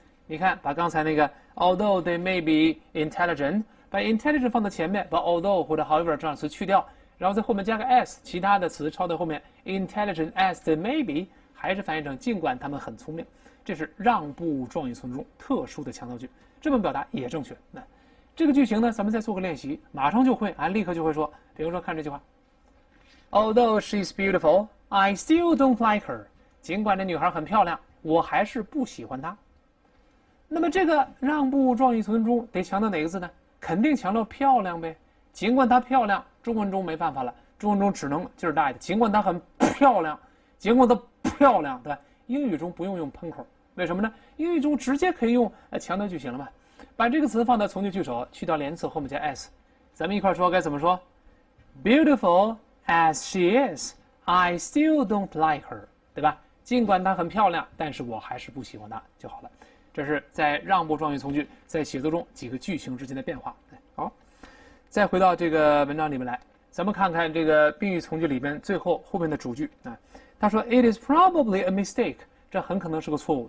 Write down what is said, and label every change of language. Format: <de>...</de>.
<zh>你看，把刚才那个</zh> <en>although they may be intelligent，</en> <zh>把 intelligent 放在前面，把 although 或者 however 这样词去掉，然后在后面加个 s， 其他的词抄在后面 ，</zh> <en>intelligent as they may be，</en> <zh>还是翻译成尽管他们很聪明。这是让步状语从句中特殊的强调句，这么表达也正确。那这个句型呢，咱们再做个练习，马上就会啊，立刻就会说，比如说看这句话。</zh> <en>Although she's beautiful, I still don't like her.</en> <zh>尽管这女孩很漂亮，我还是不喜欢她。那么这个让步状语从句中得强调哪个字呢？肯定强调漂亮呗。尽管她漂亮，中文中没办法了，中文中只能劲儿大一点。尽管她很漂亮，尽管她漂亮，对吧？英语中不用用喷口，为什么呢？英语中直接可以用强调句型了嘛。把这个词放在从句句首，去掉连词，后面加 s。咱们一块说该怎么说 ？Beautiful。</zh> <en>As she is, I still don't like her， 对吧？</en> <zh>尽管她很漂亮，但是我还是不喜欢她就好了。这是在让步状语从句在写作中几个句型之间的变化。好，再回到这个文章里面来，咱们看看这个宾语从句里面最后面的主句啊。他说 ，</zh> <en>It is probably a mistake，</en> <zh>这很可能是个错误。</zh>